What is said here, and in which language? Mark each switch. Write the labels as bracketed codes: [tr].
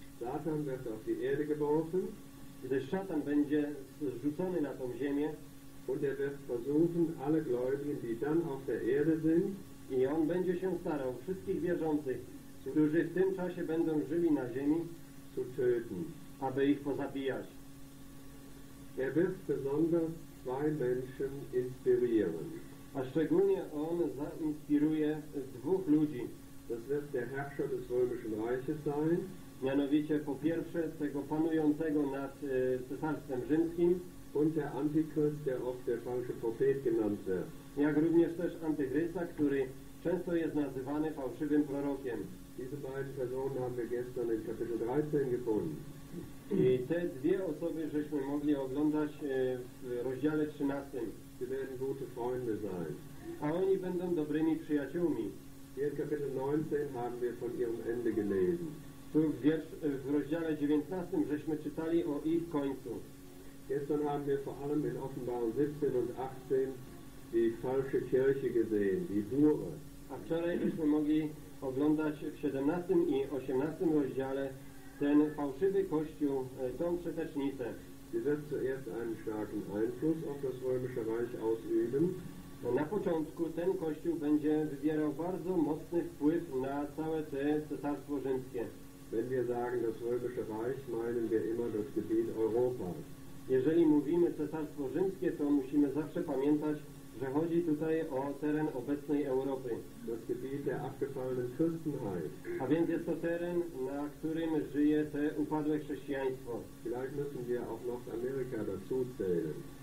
[de] Satan wird auf die Erde geworfen. [pl] Gdy szatan będzie zrzucony na tą ziemię, [de] und er wird versuchen, alle Gläubigen, die dann auf der Erde sind, [pl] i on będzie się starał wszystkich wierzących, którzy w tym czasie będą żyli na ziemi, [de] zu töten, [pl] aby ich pozabijać. [de] Er wird besonders 2 Menschen inspirieren. [pl] A szczególnie on zainspiruje 2 ludzi. [de] Das wird der Herrscher des Römischen Reiches sein. [pl] Mianowicie po pierwsze tego panującego nad Cesarstwem Rzymskim. [de] Und der Antichrist, der oft der falsche Prophet genannt wird. [pl] Jak również też Antychrysta, który często jest nazywany fałszywym prorokiem. [de] Diese beiden Personen haben wir gestern in Kapitel 13 gefunden. [pl] I te 2 osoby żeśmy mogli oglądać w rozdziale 13. [de] Sie werden gute Freunde sein. [pl] A oni będą dobrymi przyjaciółmi. [de] Hier in Kapitel 19 haben wir von ihrem Ende gelesen. [pl] Tu w rozdziale 19 żeśmy czytali o ich końcu. [de] Gestern haben wir vor allem in Offenbarung 17 und 18 die falsche Kirche gesehen, die Hure. [pl] A wczoraj żeśmy mogli oglądać w 17 i 18 rozdziale ten fałszywy kościół, tą przetecznicę. [de] Sie wird zuerst einen starken Einfluss auf das römische Reich ausüben. [pl] Na początku ten kościół będzie wywierał bardzo mocny wpływ na całe te cesarstwo rzymskie. [de] Wenn wir sagen das römische Reich, meinen wir immer das Gebiet Europas. [pl] Jeżeli mówimy cesarstwo rzymskie, to musimy zawsze pamiętać, że chodzi tutaj o teren obecnej Europy. [de] Das Gebiet der abgefallenen Christenheit. [pl] A więc jest to teren, na którym żyje te upadłe chrześcijaństwo. [de] Vielleicht müssen wir auch noch Amerika dazu zählen.